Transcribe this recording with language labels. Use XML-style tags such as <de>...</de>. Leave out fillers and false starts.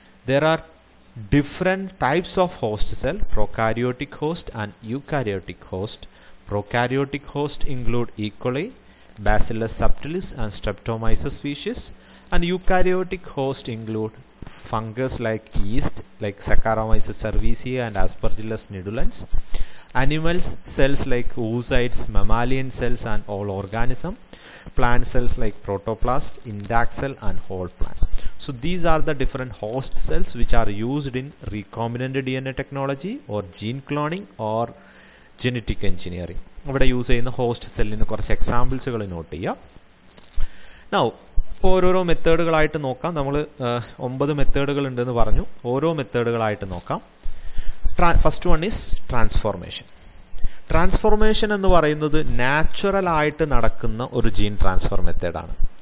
<en>There are different types of host cell, prokaryotic host and eukaryotic host. Prokaryotic host include E coli bacillus subtilis and streptomyces species and eukaryotic host include fungus like yeast like saccharomyces cerevisiae and aspergillus nidulans. Animals, cells like oocytes, mammalian cells and all organism. Plant cells like protoplast, intact cell and whole plant. So these are the different host cells which are used in recombinant DNA technology or gene cloning or genetic engineering.</en> <ml>ഇവിടെ use ചെയ്യുന്ന host സെല്ലിന് കുറച്ച് എക്സാമ്പിൾസുകൾ not ചെയ്യുക. Now ഓരോരോ മെത്തേഡുകളായിട്ട് നോക്കാം. നമ്മൾ 9 മെത്തേഡുകൾ ഉണ്ടെന്ന് പറഞ്ഞു. ഓരോ മെത്തേഡുകളായിട്ട് നോക്കാം.</ml> <en>First one is transformation.</en> <ml>Transformation എന്ന് പറയുന്നത് നാച്ചുറൽ ആയിട്ട് നടക്കുന്ന ഒരു ജീൻ ട്രാൻസ്ഫർ മെത്തേഡാണ്.</ml>